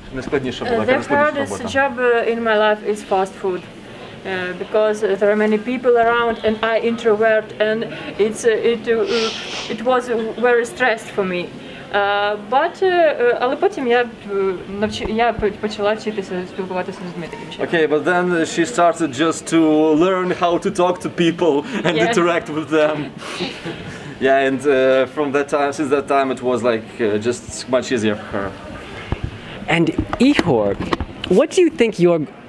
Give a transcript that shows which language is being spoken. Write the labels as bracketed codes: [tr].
[en] The hardest job in my life is fast food. because there are many people around and I introvert, and it was very stressed for me. [uk] Але потім я почала вчитися спілкуватися з людьми. [en] Okay, but then she started just to learn how to talk to people and yeah. interact with them. Yeah, and since that time it was like just much easier for her. And Ihor, what do you think you're...